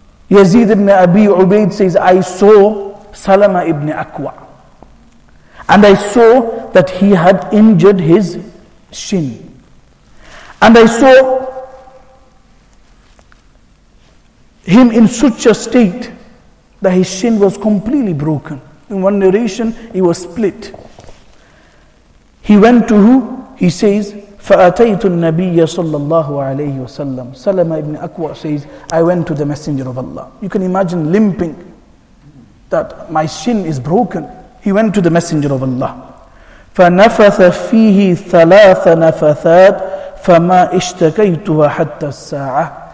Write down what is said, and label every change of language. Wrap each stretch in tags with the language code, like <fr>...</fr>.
<en>Yazid ibn Abi Ubaid says, I saw Salama ibn Akwa, and I saw that he had injured his shin. And I saw him in such a state that his shin was completely broken. In one narration, he was split. He went to who? He says,</en> <ar>فَأَتَيْتُ النَّبِيَّ صَلَّى اللَّهُ عَلَيْهِ وَسَلَّمُ.</ar> <en>Salama ibn Akwa says, I went to the Messenger of Allah. You can imagine limping, that my shin is broken. He went to the Messenger of Allah.</en> <ar>فَنَفَثَ فِيهِ ثَلَاثَ نَفَثَاتٍ فَمَا اشْتَكَيْتُهَا حَتَّى السَّاعَةِ.</ar>